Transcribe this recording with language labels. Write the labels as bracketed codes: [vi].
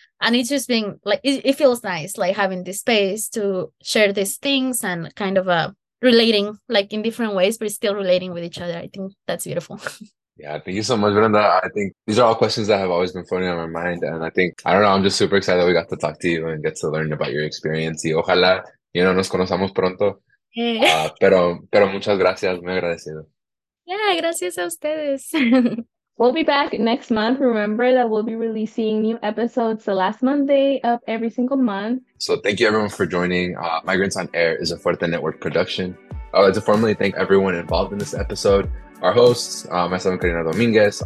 [en] And it's just being like it feels nice like having this space to share these things and kind of relating like in different ways, but still relating with each other. I think that's beautiful. Yeah, thank you so much, Brenda. I think these are all questions that have always been floating on my mind. And I think, I don't know, I'm just super excited that we got to talk to you and get to learn about your experience. [es] Y ojalá, [en] you know, [es] nos conozcamos pronto. [en] Yeah, [es] Pero muchas gracias, muy agradecido. gracias a ustedes. [en] We'll be back next month. Remember that we'll be releasing new episodes the last Monday of every single month. So thank you everyone for joining. Migrants on Air is a Fuerte Network production. I'd like to formally thank everyone involved in this episode. Our hosts, myself and Karina Dominguez.